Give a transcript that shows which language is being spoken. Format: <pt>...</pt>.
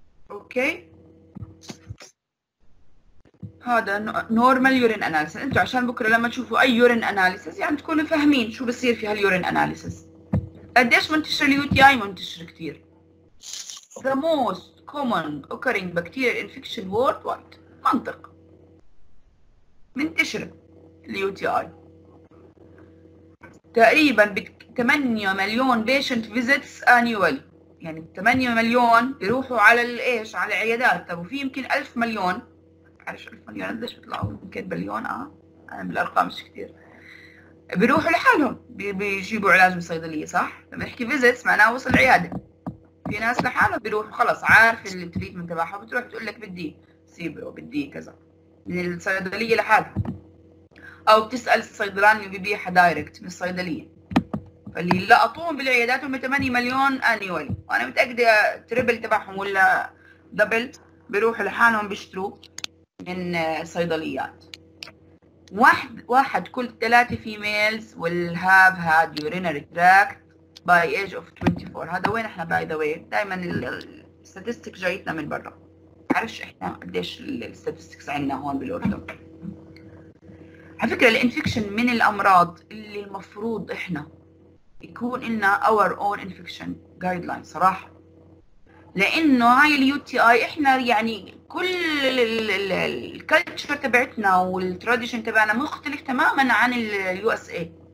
<ar>اوكي هذا نورمال يورين اناليسس، انتوا عشان بكره لما تشوفوا اي يورين اناليسس يعني تكونوا فاهمين شو بصير في هاليورين اناليسس. قديش منتشر اليو تي اي؟ منتشر كثير.</ar> <en>The most common occurring bacterial infection worldwide.</en> <ar>منطق. منتشر اليو تي اي. تقريبا ب 8 مليون patient visits annually. يعني 8 مليون بيروحوا على الايش؟ على العيادات، طب وفي يمكن 1000 مليون. عارف شو الفنيان قديش بيطلعوا؟ يمكن بليون انا بالارقام مش كثير. بيروحوا لحالهم بيجيبوا علاج من الصيدليه صح؟ لما نحكي فيزيتس معناها وصل العياده. في ناس لحالهم بيروحوا خلص عارف التريتمنت تبعها بتروح تقول لك بدي سيبو بدي كذا من الصيدليه لحالها. او بتسال الصيدلان اللي بيبيعها دايركت من الصيدليه. فاللي لقطوهم بالعيادات هم 8 مليون انيولي، وانا متاكده تريبل تبعهم ولا دبل بيروحوا لحالهم بيشتروا. من صيدليات واحد كل ثلاثة فيميلز</ar> <en>will have had urinary tract by age of 24.</en> <ar>هذا وين احنا باي ذا واي دائما الستاتستيك جايتنا من برا عارفش احنا قديش الستاتستيكس عندنا هون بالاردن. على فكره الانفكشن من الامراض اللي المفروض احنا يكون لنا اور اون انفكشن جايد لاين صراحه لانه هاي اليو تي اي احنا يعني كل الكالتشر تبعتنا والتراديشن تبعنا مختلف تماما عن اليو اس اي</ar>